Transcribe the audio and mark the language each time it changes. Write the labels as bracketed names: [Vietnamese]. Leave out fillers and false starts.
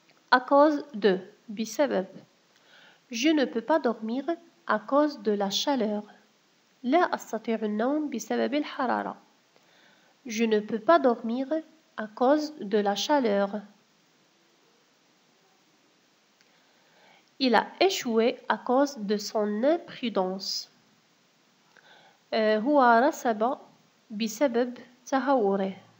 [French] À cause de, بسبب. Je ne peux pas dormir à cause de la chaleur. [Arabic] لا أستطيع النوم بسبب الحرارة. [French] Je ne peux pas dormir à cause de la chaleur. Il a échoué à cause de son imprudence. [Arabic] هو رسب بسبب تهوره.